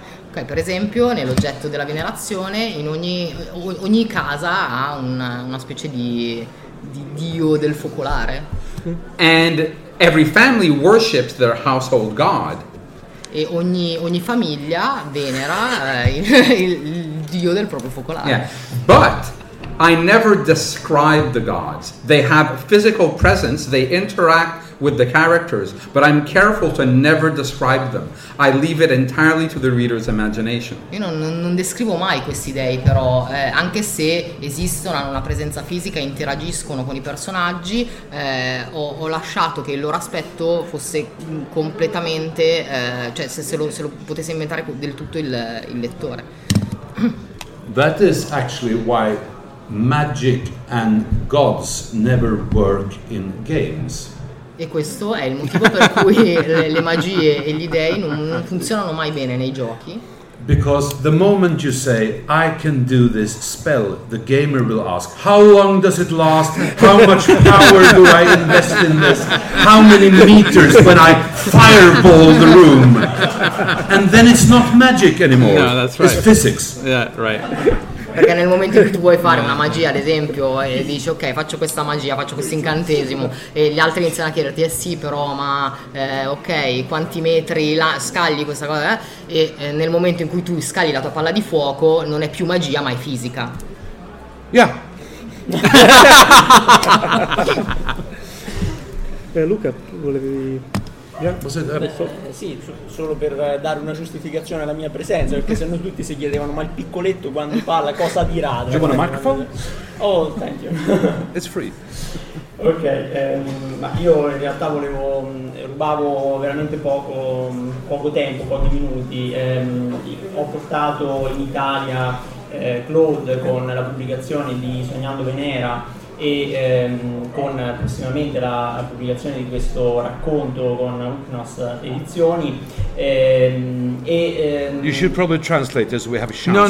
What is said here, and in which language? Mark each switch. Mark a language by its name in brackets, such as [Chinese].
[Italian] Okay, per esempio, nell'oggetto della venerazione, in ogni casa ha una specie di dio del focolare. [English] And every family worships their household god. [Italian] E ogni famiglia venera il dio del proprio focolare. [English] Yeah. But I never describe the gods. They have physical presence, they interact with the characters, but I'm careful to never describe them. I leave it entirely to the reader's imagination. [Italian] Io non descrivo mai questi dei, però, anche se esistono, hanno una presenza fisica, interagiscono con i personaggi, ho lasciato che il loro aspetto fosse completamente, cioè se lo potesse inventare del tutto il lettore. [English] That is actually why magic and gods never work in games. [Italian] E questo è il motivo per cui le magie e gli dei non funzionano mai bene nei giochi. [English] Because the moment you say I can do this spell, the gamer will ask, how long does it last? How much power do I invest in this? How many meters when I fireball the room? And then it's not magic anymore. No, that's right. It's physics. Yeah, right. [Italian] Perché nel momento in cui tu vuoi fare una magia, ad esempio, e dici ok, faccio questa magia, faccio questo incantesimo, e gli altri iniziano a chiederti sì però ma ok, quanti metri scagli questa cosa, e nel momento in cui tu scagli la tua palla di fuoco non è più magia ma è fisica. [English] Yeah. [Italian] Luca, volevi... Sì, solo per dare una giustificazione alla mia presenza, perché se no tutti si chiedevano ma il piccoletto quando parla cosa dirà. [English] Do you want a microphone? Oh, thank you. It's free. [Italian] Ok, ma io in realtà volevo rubavo veramente poco tempo, pochi minuti. Ho portato in Italia Claude con la pubblicazione di Sognando Venera e con prossimamente la pubblicazione di questo racconto con Uknos Edizioni. [English] You should probably translate this, we have a chance.